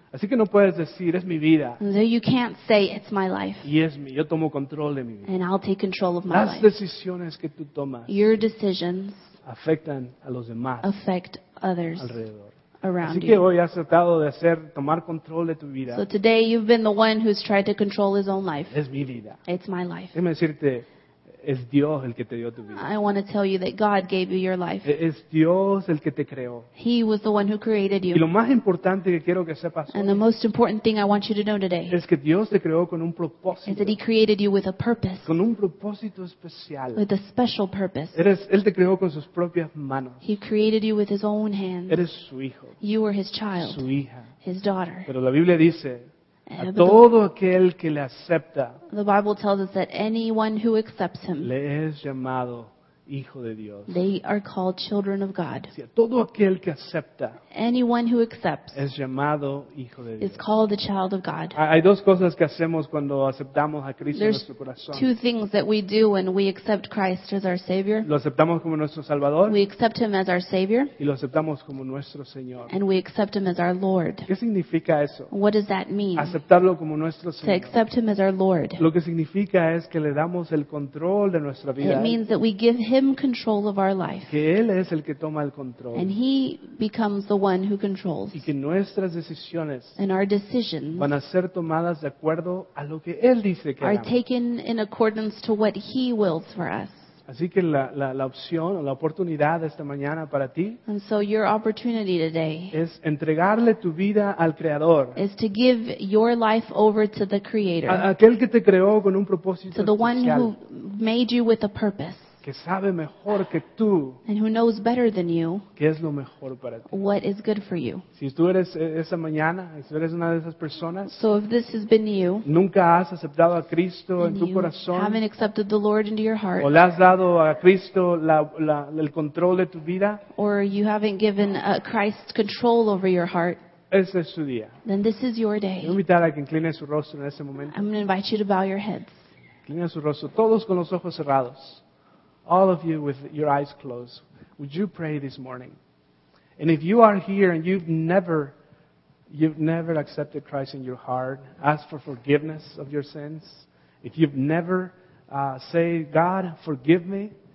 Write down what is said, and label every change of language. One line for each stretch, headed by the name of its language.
Spanish: Así que no puedes decir es mi vida.
English: So you can't say it's my life.
Spanish: Y es mi, yo tomo control de mi vida.
English: And I'll take control of my
Spanish: las
English: life.
Spanish: Las decisiones que tú tomas,
English: your decisions,
Spanish: afectan a los demás.
English: Affect others
Spanish: alrededor.
English: Around
Spanish: así que
English: you.
Spanish: Hoy has tratado de hacer tomar control de tu vida.
English: So today you've been the one who's tried to control his own life.
Spanish: Es mi vida.
English: It's my life.
Spanish: Déjame decirte, es Dios el que te dio tu vida.
English: I want to tell you that God gave you your life.
Spanish: Es Dios el que te creó.
English: He was the one who created you.
Spanish: Y lo más importante que quiero que sepas hoy,
English: and the most important thing I want you to know today,
Spanish: es que Dios te creó con un propósito.
English: Is that He created you with a purpose.
Spanish: Con un propósito especial.
English: With a special purpose.
Spanish: Él te creó con sus propias manos.
English: He created you with His own hands.
Spanish: Eres su hijo.
English: You are His child.
Spanish: Su hija.
English: His daughter.
Spanish: Pero la Biblia dice, a todo aquel que le acepta,
English: the Bible tells us that anyone who accepts Him,
Spanish: le es llamado hijo de Dios.
English: They are called children of God.
Spanish: Si a todo aquel que acepta,
English: anyone who accepts,
Spanish: es llamado hijo de Dios.
English: Is called a child of God.
Spanish: Hay dos cosas que hacemos cuando aceptamos a Cristo
English: There's
Spanish: en nuestro corazón.
English: There's two things that we do when we accept Christ as our Savior.
Spanish: Lo aceptamos como nuestro Salvador.
English: We accept Him as our Savior.
Spanish: Y lo aceptamos como nuestro Señor.
English: And we accept Him as our Lord.
Spanish: ¿Qué significa eso?
English: What does that mean?
Spanish: Aceptarlo como nuestro Señor.
English: To accept Him as our Lord.
Spanish: Lo que significa es que le damos el control de nuestra vida.
English: It means that we give Him control of our life.
Spanish: Que Él es el que toma el control.
English: And He becomes the one who controls.
Spanish: Y que nuestras decisiones,
English: and our decisions,
Spanish: van a ser tomadas de acuerdo a lo que Él dice que
English: are
Spanish: hagamos.
English: Taken in accordance to what He wills for us.
Spanish: Así que la opción o la oportunidad esta mañana para ti,
English: and so your opportunity today,
Spanish: es entregarle tu vida al Creador.
English: Is to give your life over to the Creator.
Spanish: A aquel que te creó con un propósito especial.
English: To the one who made you with a purpose.
Spanish: que sabe mejor que tú,
English: and who knows better than you,
Spanish: que es lo mejor para ti.
English: What is good for you.
Spanish: Si tú eres esa mañana, si eres una de esas personas,
English: so if this has been you,
Spanish: nunca has aceptado a Cristo en tu corazón,
English: haven't accepted the Lord into your heart,
Spanish: o le has dado a Cristo el control de tu vida,
English: or you haven't given Christ control over your heart,
Spanish: ese es su día.
English: Then this is your day.
Spanish: Voy a invitar a que incline su rostro en ese momento.
English: I'm going to invite you to bow your heads.
Spanish: Incline su rostro, todos con los ojos cerrados.
English: All of you with your eyes closed, would you pray this morning? And if you are here and you've never accepted Christ in your heart, ask for forgiveness of your sins. If you've never say, God, forgive me.